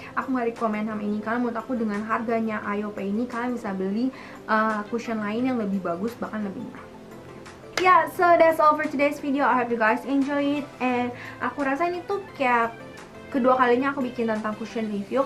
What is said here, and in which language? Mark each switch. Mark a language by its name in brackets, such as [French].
[Indonesian] Aku nggak recommend sama ini, karena menurut aku dengan harganya IOPE ini kalian bisa beli cushion lain yang lebih bagus, bahkan lebih murah. [English] Yeah, so that's all for today's video. I hope you guys enjoy it. [Indonesian] And aku rasa ini tuh kayak kedua kalinya aku bikin tentang cushion review.